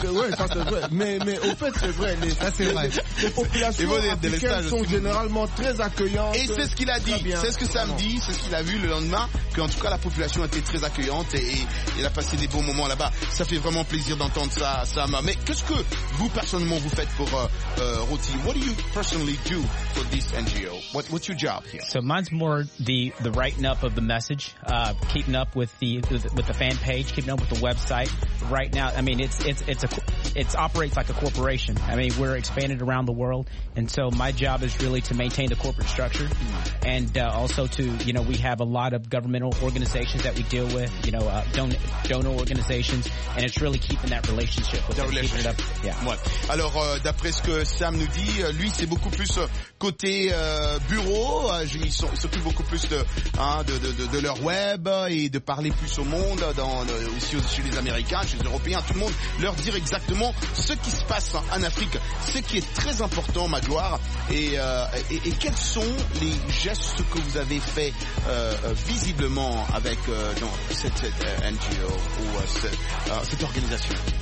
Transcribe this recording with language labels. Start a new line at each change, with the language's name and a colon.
French: Oui, ça c'est vrai. Mais au fait, c'est vrai. Les populations africaines sont généralement très accueillantes. Et c'est ce qu'il a dit. C'est ce que Sam dit, c'est ce qu'il a vu le lendemain. Qu'en tout cas, la population était très accueillante et il a passé des beaux moments là-bas. Ça fait vraiment plaisir d'entendre ça, Sam. Mais qu'est-ce que vous, personnellement, vous faites pour Roti?
English: What do you personally do for this NGO? What's your job here? So mine's more the writing up of the message, keeping up with the fan page, keeping up with the website. Right now, I mean, it operates like a corporation. I mean, we're expanded around the world, and so my job is really to maintain the corporate structure, and also to, you know, we have a lot of governmental organizations that we deal with, you know, donor organizations, and it's really keeping that relationship with them, keeping it up. Yeah.
French: Ouais. Alors, d'après ce que Sam nous dit, lui, c'est beaucoup plus côté bureau. Il s'occupe beaucoup plus de leur web et de parler plus au monde. Aussi chez les Américains, chez les Européens, tout le monde, leur dire exactement ce qui se passe en Afrique, ce qui est très important, Magloire, et quels sont les gestes que vous avez fait visiblement avec cette NGO ou cette organisation.